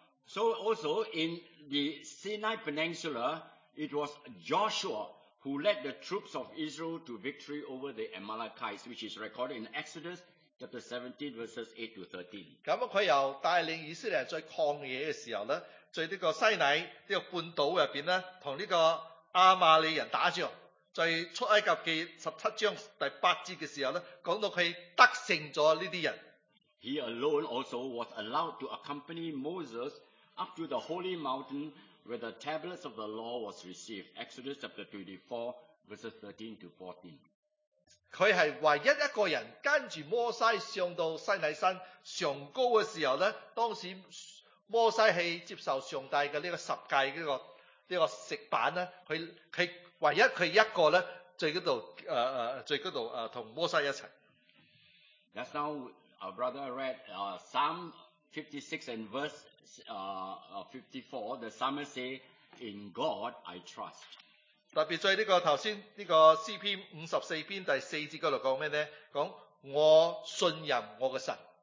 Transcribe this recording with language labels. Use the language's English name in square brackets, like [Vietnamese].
[English] So also in the Sinai Peninsula, it was Joshua who led the troops of Israel to victory over the Amalekites, which is recorded in Exodus. Chapter 17 verses 8 to 13. [Cantonese] 咁佢又帶領以色列人在曠野嘅時候咧，在呢個西乃呢個半島入邊咧，同呢個亞瑪利人打仗。在出埃及記17:8嘅時候咧，講到佢得勝咗呢啲人。 [English] He alone also was allowed to accompany Moses up to the holy mountain where the tablets of the law was received, Exodus chapter 24, verses 13 to 14. [Cantonese] 佢系唯一一个人跟住摩西上到西乃山上高嘅时候咧，当时摩西系接受上帝嘅呢个十诫呢、这个石板咧，佢唯一佢一个咧，在嗰度同摩西一齐。 [English] That's now our brother read Psalm 56 and verse 54. The psalmist say, "In God I trust." [Cantonese] 特別在呢、这個頭先呢個詩篇五十四篇第四節嗰度講咩咧？講我信任我嘅神。